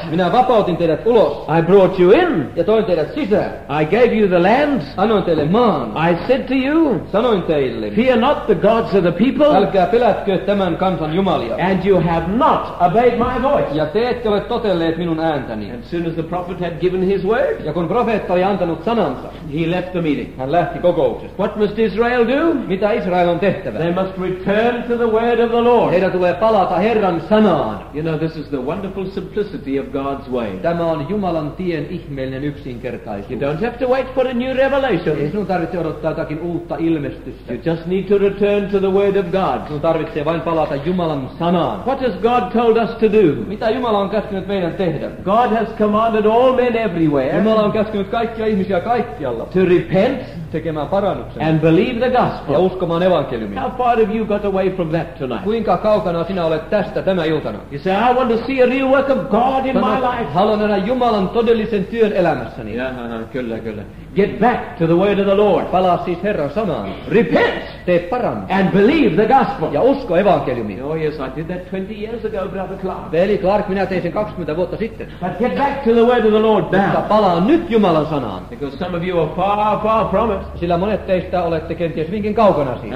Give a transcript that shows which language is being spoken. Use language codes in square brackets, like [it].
[fi] Minä vapautin teidät ulos. [en] I brought you in. [fi] Ja toin teidät sisään. [en] I gave you the land. [fi] Annoin teille maan. [en] I said to you. [fi] Sanoin teille. [en] Fear not the gods of the people. [fi] Älkää pelätkö tämän kansan jumalia. [en] And you have not obeyed my voice. [fi] Ja te ette ole totelleet minun ääntäni. [en] And soon as the prophet had given his word. [fi] Ja kun profeetta oli antanut sanansa. [en] He left the meeting. [fi] Hän lähti kokouksesta. [en] What must Israel do? [fi] Mitä Israel on tehtävä? [en] They must return to the word of the Lord. [fi] Heidän tulee palata Herran sanansa. [en] You know, this is the wonderful simplicity of God's way. [fi] Tämä on Jumalan tien ihmeellinen yksinkertaisuus. [en] You don't have to wait for a new revelation. [fi] Ei sinun tarvitse odottaa jotakin uutta ilmestystä. [en] You just need to return to the word of God. [fi] Sinun tarvitsee vain palata Jumalan sanaan. [en] What has God told us to do? [fi] Mitä Jumala on käskenyt meidän tehdä? [en] God has commanded all men everywhere. [fi] Jumala on käskenyt kaikkia ihmisiä kaikkialla. [en] To repent. [fi] Tekemään parannuksen. [en] And believe the gospel. [fi] Ja uskomaan evankeliumia. [en] How far have you got away from that tonight? [fi] Kuinka kaukana sinä olet tästä tämä iltana? [en] You say, I want to see a real work of God in my life. [fi] Haluan nähdä Jumalan todellisen työn elämässäni. Kyllä. [en] Get back to the word of the Lord. [fi] Palaa siis Herran sanaan. [en] Repent. [fi] Tee parannus. [en] And believe the gospel. [fi] Ja usko evankeliumia. [en] Oh yes, I did that 20 years ago, Brother Clark. [fi] Veli Clark, minä tein sen 20 vuotta sitten. [en] But get back to the word of the Lord now. [fi] Mutta palaa nyt Jumalan sanaan. [en] Because some of you are far from it. [fi] Sillä monet teistä olette kenties hyvinkin kaukana siitä.